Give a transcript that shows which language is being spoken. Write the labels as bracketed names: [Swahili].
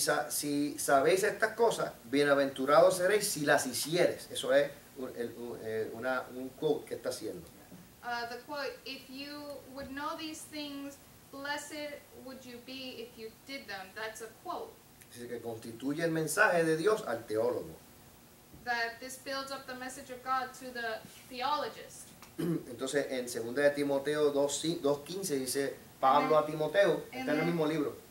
[Spanish] sabéis estas cosas, bienaventurados seréis si las hicieres. Eso es un quote que está haciendo. [English] The quote, if you would know these things, blessed would you be if you did them. That's a quote. [Spanish] Dice que constituye el mensaje de Dios al teólogo. [English] That this builds up the message of God to the theologist. [Spanish] Entonces, en 2 de Timoteo 2:15 dice Pablo a Timoteo, está en el mismo libro.